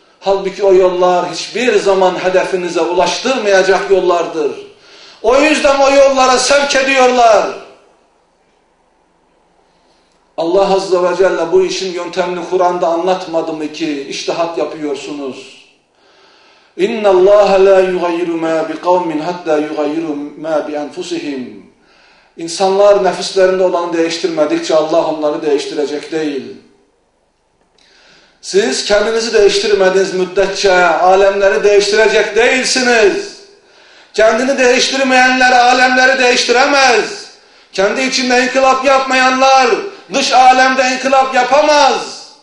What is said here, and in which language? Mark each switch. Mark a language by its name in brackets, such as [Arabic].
[Turkish] Halbuki o yollar hiçbir zaman hedefinize ulaştırmayacak yollardır. O yüzden o yollara sevk ediyorlar. Allah Azze ve Celle bu işin yöntemini Kur'an'da anlatmadı mı ki içtihat yapıyorsunuz? [Arabic] اِنَّ اللّٰهَ لَا يُغَيِّرُ مَا بِقَوْمٍ حَتَّى يُغَيِّرُ مَا بِاَنْفُسِهِمْ [Turkish] İnsanlar nefislerinde olanı değiştirmedikçe Allah onları değiştirecek değil. Siz kendinizi değiştirmediğiniz müddetçe alemleri değiştirecek değilsiniz. Kendini değiştirmeyenler alemleri değiştiremez. Kendi içinde inkılap yapmayanlar dış alemde inkılap yapamaz.